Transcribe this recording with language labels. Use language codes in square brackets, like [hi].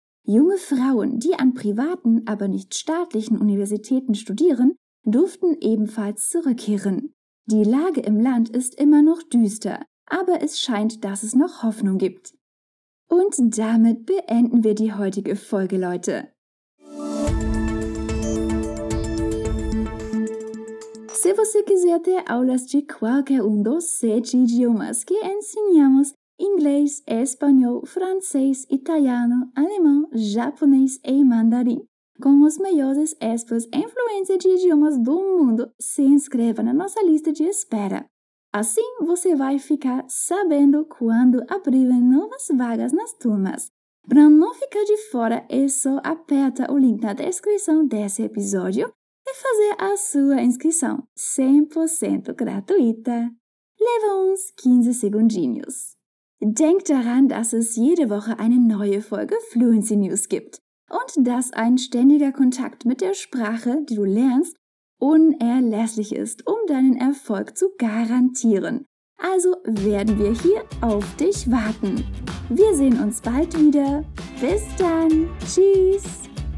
[de] Junge Frauen, die an privaten, aber nicht staatlichen Universitäten studieren, durften ebenfalls zurückkehren. Die Lage im Land ist immer noch düster, aber es scheint, dass es noch Hoffnung gibt. Und damit beenden wir die heutige Folge, Leute. [pt] Se você quiser ter aulas de qualquer dos 7 idiomas que ensinamos, inglês, espanhol, francês, italiano, alemão, japonês e mandarim, com os maiores experts em fluência de idiomas do mundo, se inscreva na nossa lista de espera. Assim, você vai ficar sabendo quando abrirem novas vagas nas turmas. Para não ficar de fora, é só aperta o link na descrição desse episódio e fazer a sua inscrição 100% gratuita. Leva uns 15 segundinhos. [de] Denk daran, dass es jede Woche eine neue Folge Fluency News gibt und dass ein ständiger Kontakt mit der Sprache, die du lernst, unerlässlich ist, um deinen Erfolg zu garantieren. Also werden wir hier auf dich warten. Wir sehen uns bald wieder. Bis dann. Tschüss.